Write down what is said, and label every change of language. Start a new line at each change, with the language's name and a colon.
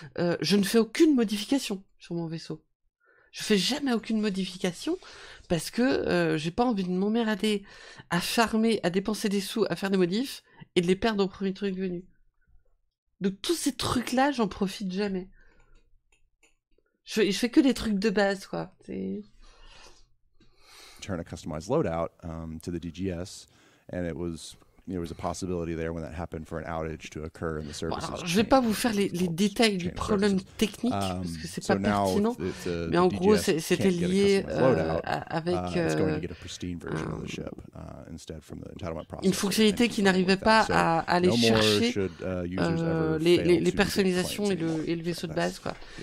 French: Je ne fais aucune modification sur mon vaisseau. Je ne fais jamais aucune modification, parce que je n'ai pas envie de m'emmerder à farmer, à dépenser des sous, à faire des modifs, et de les perdre au premier truc venu. Donc tous ces trucs-là, j'en profite jamais. Je fais que des trucs de base, quoi.
English: Turn a customized loadout to the DGS, and it was there was a possibility there when that happened for an outage to occur in the services.
French: Bon, alors, je vais pas vous faire les détails du problème technique parce que c'est pas pertinent. Mais en gros, c'était lié avec une fonctionnalité qui n'arrivait pas à aller chercher les personnalisations et le vaisseau de base, quoi.